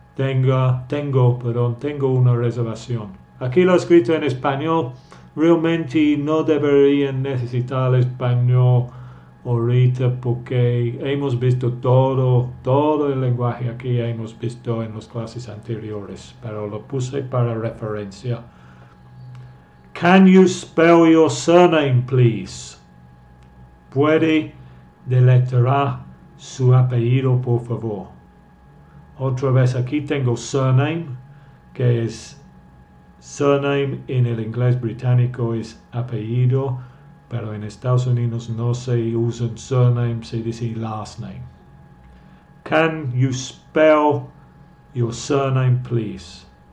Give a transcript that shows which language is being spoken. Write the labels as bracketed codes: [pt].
[es] Tengo una reservación. Aquí lo he escrito en español. Realmente no debería necesitar el español ahorita porque hemos visto todo el lenguaje aquí, hemos visto en las clases anteriores, pero lo puse para referencia. [en] Can you spell your surname, please? [es] ¿Puede deletrear su apellido, por favor? Otra vez, aquí tengo surname, que es surname en el inglés británico es apellido, pero en Estados Unidos no se usan surname, se dice last name. [en] Can you spell your surname, please?